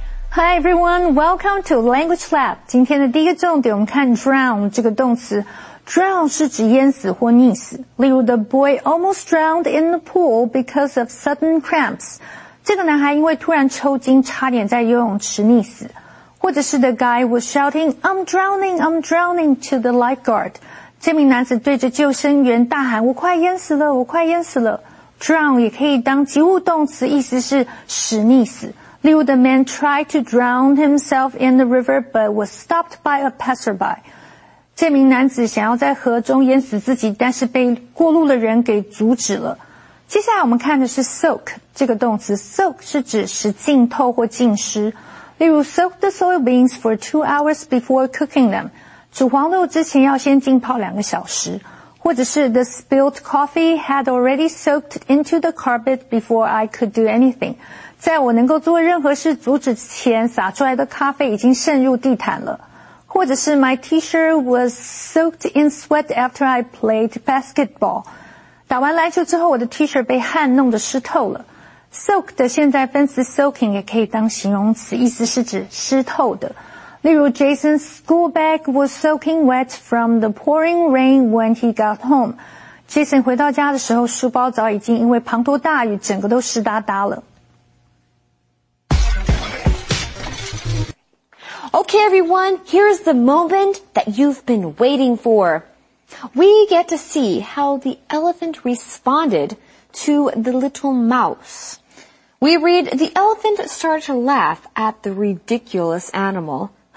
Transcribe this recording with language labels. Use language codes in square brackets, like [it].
[en] Hi everyone, welcome to Language Lab. [zh] 今天的第一个重点我们看 drown 这个动词。 Drown 是指淹死或溺死。例如 [en] the boy almost drowned in the pool because of sudden cramps. [zh] 这个男孩因为突然抽筋差点在游泳池溺死。或者是 [en] the guy was shouting, I'm drowning, I'm drowning to the lifeguard. [zh] 这名男子对着救生员大喊我快淹死了我快淹死了。 Drown 也可以当及物动词意思是使溺死。例如 [en] the man tried to drown himself in the river but was stopped by a passerby. [zh] 这名男子想要在河中淹死自己但是被过路的人给阻止了。接下来我们看的是 soak 这个动词。soak 是指使浸透或浸湿。例如 [en] soak the soybeans for 2 hours before cooking them. [zh] 煮黄豆之前要先浸泡两个小时。或者是 [en] the spilled coffee had already soaked into the carpet before I could do anything. [zh] 在我能够做任何事阻止之前洒出来的咖啡已经渗入地毯了。或者是 [en] my t-shirt was soaked in sweat after I played basketball. [zh] 打完篮球之后我的 t-shirt 被汗弄得湿透了。soak 的现在分词 soaking 也可以当形容词意思是指湿透的。例如 [en] Jason's school bag was soaking wet from the pouring rain when he got home. [zh] Jason 回到家的时候书包早已经因为滂沱大雨整个都湿哒哒了。 [en] Okay, everyone, here's the moment that you've been waiting for. We get to see how the elephant responded to the little mouse. We read, the elephant started to laugh at the ridiculous animal.